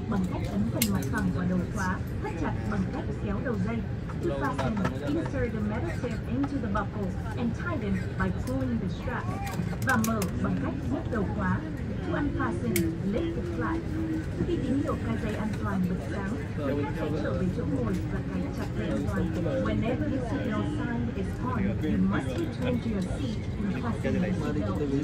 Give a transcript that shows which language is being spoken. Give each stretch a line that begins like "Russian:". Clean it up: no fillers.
Vietnamese: Bằng cách ấn phần mặt phẳng vào đầu khóa, thắt chặt bằng cách kéo đầu dây.
English: To fasten, insert the metal strip into the buckle and tighten by pulling the strap.
Vietnamese: Và mở bằng cách nhấc đầu khóa.
English: To unfasten, lift the flap.
Vietnamese: Khi tín hiệu cài dây an toàn bật sáng, hành khách sẽ trở về chỗ ngồi và cài chặt dây an toàn.
English: Whenever the seatbelt sign is on, you must return to your seat and fasten the seatbelt.